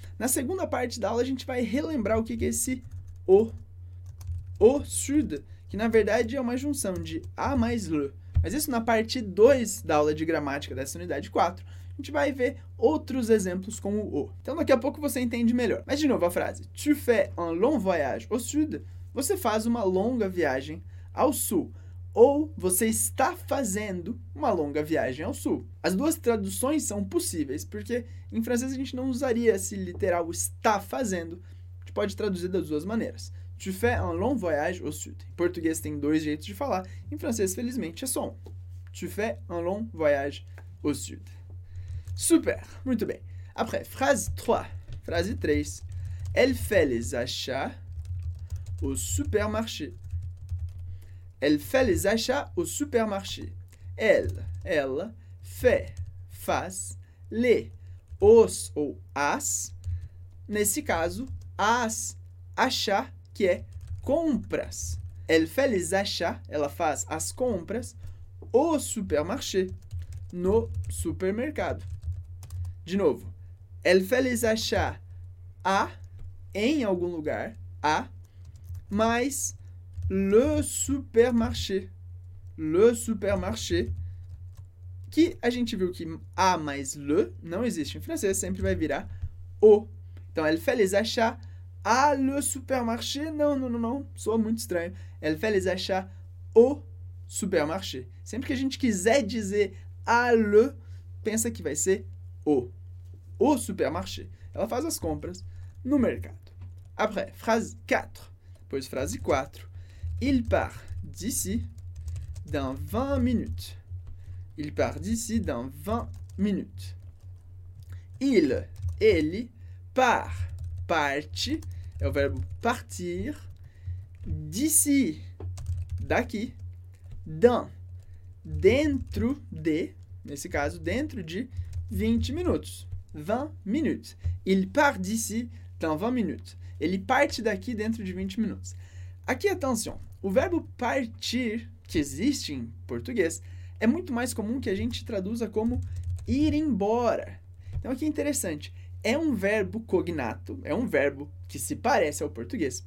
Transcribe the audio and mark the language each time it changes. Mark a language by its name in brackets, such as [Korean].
[Portuguese] Na segunda parte da aula, a gente vai relembrar o que é esse o sud, que na verdade é uma junção de a mais le, Mas isso na parte 2 da aula de gramática dessa unidade 4. A gente vai ver outros exemplos com o O. Então, daqui a pouco você entende melhor. Mas, de novo, a frase. [French] Tu fais un long voyage au sud. [Portuguese] Você faz uma longa viagem ao sul. Ou você está fazendo uma longa viagem ao sul. As duas traduções são possíveis, porque em francês a gente não usaria esse literal está fazendo. A gente pode traduzir das duas maneiras. [French] Tu fais un long voyage au sud. [Portuguese] Em português tem dois jeitos de falar. Em francês, felizmente, é só um. [French] Tu fais un long voyage au sud. [Portuguese] Super, muito bem. [French] Après, phrase 3. Phrase 3. Elle fait les achats au supermarché. Elle fait les achats au supermarché. Elle fait, [Portuguese] faz, les, os ou as, nesse caso, as, achats, que é compras. [French] Elle fait les achats, [Portuguese] ela faz as compras, [French] au supermarché, [Portuguese] no supermercado. De novo, [French] elle fait les achats à, [Portuguese] em algum lugar, à, mais le supermarché. Le supermarché, que a gente viu que à mais le não existe em francês, sempre vai virar o. Então, [French] elle fait les achats à le supermarché. [Portuguese] Não, soa muito estranho. [French] Elle fait les achats au supermarché. [Portuguese] Sempre que a gente quiser dizer à le, pensa que vai ser o. [French] Au supermarché. [Portuguese] Ela faz as compras no mercado. [French] Après, phrase 4. [Portuguese] Depois, [French] phrase 4. Il part d'ici dans 20 minutes. Il part d'ici dans 20 minutes. [Portuguese] Ele part. Parte. É o verbo partir. D'ici. Daqui. Dans. Dentro de. Nesse caso, dentro de 20 minutos. [French] 20 minutes. Il part d'ici dans 20 minutes. [Portuguese] Ele parte daqui dentro de 20 minutos. Aqui, atenção. O verbo partir, que existe em português, é muito mais comum que a gente traduza como ir embora. Então, aqui é interessante. É um verbo cognato, é um verbo que se parece ao português.